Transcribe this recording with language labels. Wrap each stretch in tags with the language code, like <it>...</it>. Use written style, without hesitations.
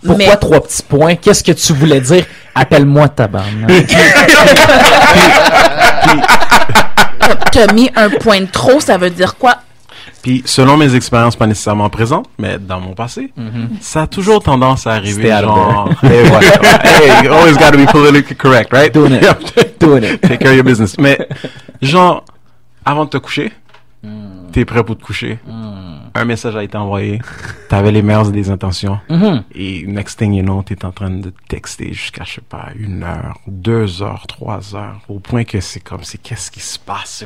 <fr>Pourquoi trois petits points? Qu'est-ce que tu voulais dire? Appelle-moi tabarnak. T'as mis un point de trop, ça veut dire quoi? Puis, selon mes expériences, pas nécessairement présentes, mais dans mon passé, ça a toujours tendance à arriver. C'était</fr> <en>genre, hey, you always gotta be politically correct, right? Doing it. Yeah. Doing it. Take care of your business.</en> <fr>Mais, genre, avant de te coucher, t'es prêt pour te coucher. Un message a été envoyé. T'avais les meilleures des intentions. Et</fr> <en>next thing you know,</en> <fr>t'es en train de texter jusqu'à, je sais pas, 1 heure, 2 heures, 3 heures, au point que c'est comme, c'est qu'est-ce qui se passe?</fr>